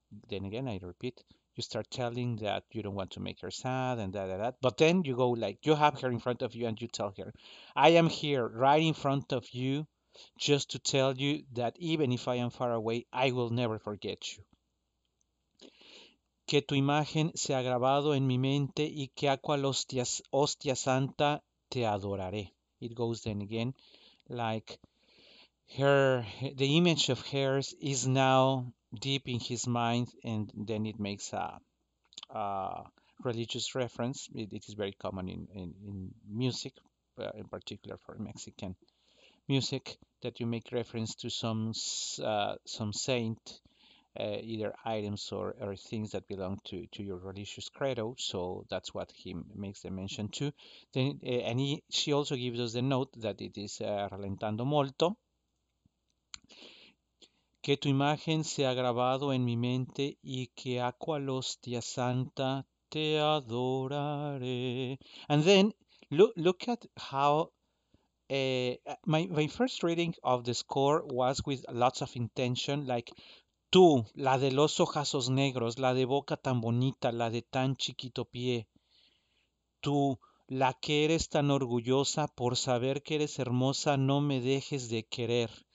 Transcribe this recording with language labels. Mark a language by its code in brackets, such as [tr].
[en] Then again, I repeat, you start telling that you don't want to make her sad and that, but then you go like, you have her in front of you and you tell her, I am here right in front of you just to tell you that even if I am far away, I will never forget you. [es] Que tu imagen se ha grabado en mi mente y que a cual hostia santa te adoraré. [en] It goes then again, like the image of hers is now deep in his mind, and then it makes a religious reference. It is very common in music, in particular for Mexican music, that you make reference to some saint. Either items or things that belong to your religious credo, so that's what he makes the mention to. Then she also gives us the note that it is ralentando molto. [es] Que tu imagen se ha grabado en mi mente y que a cual hostia santa te adoraré. [en] And then look at how my first reading of the score was with lots of intention, like. [es] Tú, la de los ojazos negros, la de boca tan bonita, la de tan chiquito pie. Tú, la que eres tan orgullosa por saber que eres hermosa, no me dejes de querer.